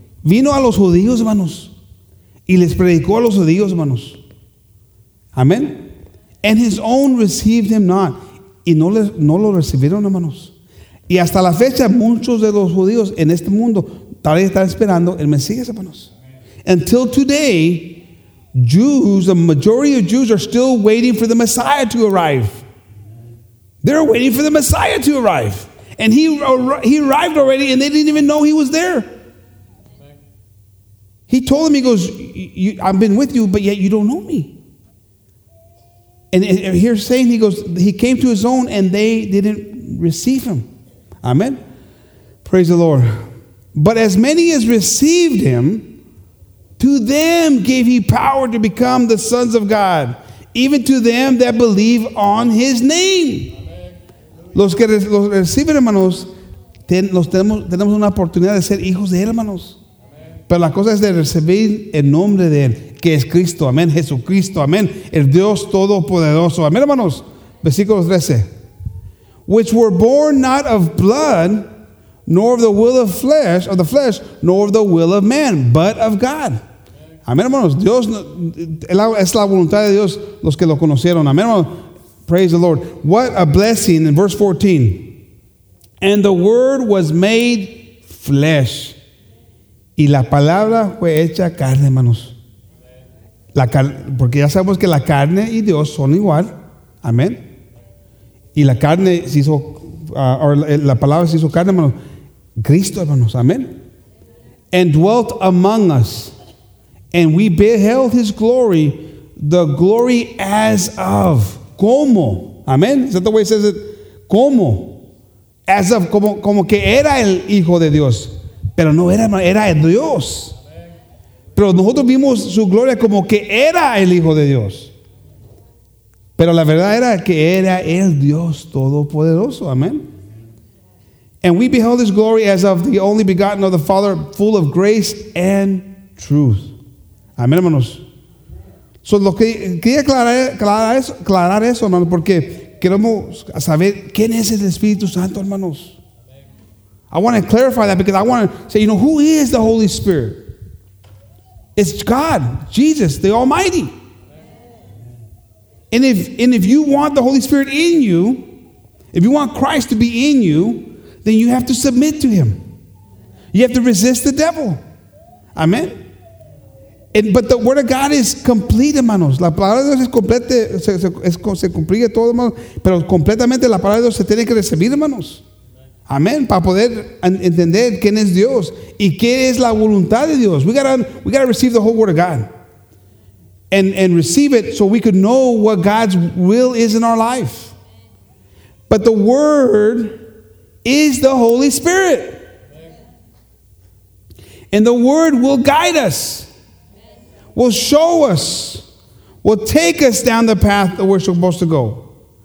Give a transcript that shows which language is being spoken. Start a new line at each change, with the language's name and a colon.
Spanish: Vino a los judíos, hermanos. Y les predicó a los judíos, hermanos. Amén.
English: And his own received him not.
Spanish: Y no lo recibieron, hermanos. Y hasta la fecha, muchos de los judíos en este mundo tal vez están esperando el Mesías, hermanos.
English: Until today, Jews, the majority of Jews are still waiting for the Messiah to arrive. They're waiting for the Messiah to arrive. And he arrived already and they didn't even know he was there. He told them, he goes, I've been with you, but yet you don't know me. And here's saying, he goes, he came to his own and they didn't receive him. Amen. Praise the Lord. But as many as received him, to them gave he power to become the sons of God, even to them that believe on his name.
Spanish: Los que los reciben, hermanos, tenemos una oportunidad de ser hijos de él, hermanos. Pero la cosa es de recibir el nombre de él, que es Cristo. Amén. Jesucristo. Amén. El Dios Todopoderoso. Amén, hermanos. Versículo 13.
English: Which were born not of blood, nor of the will of flesh, of the flesh, nor of the will of man, but of God.
Spanish: Amén, hermanos. Dios, es la voluntad de Dios los que lo conocieron. Amén, hermanos.
English: Praise the Lord. What a blessing in verse 14. And the word was made flesh.
Spanish: Y la palabra fue hecha carne, hermanos. Porque ya sabemos que la carne y Dios son igual. Amén. Y la carne se hizo, la palabra se hizo carne, hermanos. Cristo, hermanos, amén.
English: And dwelt among us, and we beheld his glory, the glory as of. ¿Cómo? Amén. Is that the way it says it? ¿Cómo? As of,
Spanish: como que era el Hijo de Dios. Pero no era, era el Dios. Pero nosotros vimos su gloria como que era el Hijo de Dios. Pero la verdad era que era el Dios Todopoderoso. Amén.
English: And we beheld his glory as of the only begotten of the Father, full of grace and truth.
Spanish: Amén, hermanos. So, lo que quería aclarar eso, hermanos, porque queremos saber quién es el Espíritu Santo, hermanos.
English: I want to clarify that because I want to say, you know, who is the Holy Spirit? It's God, Jesus, the Almighty. And if you want the Holy Spirit in you, if you want Christ to be in you, then you have to submit to him. You have to resist the devil. Amen. But the word of God is complete, hermanos.
Spanish: La palabra de Dios es completa, se cumplía todo, hermanos. Pero completamente la palabra de Dios se tiene que recibir, hermanos. Amén. Para poder entender quién es Dios y qué es la voluntad de Dios.
English: We gotta receive the whole word of God. And receive it so we could know what God's will is in our life. But the word is the Holy Spirit. And the word will guide us. Will show us, will take us down the path that we're supposed to go.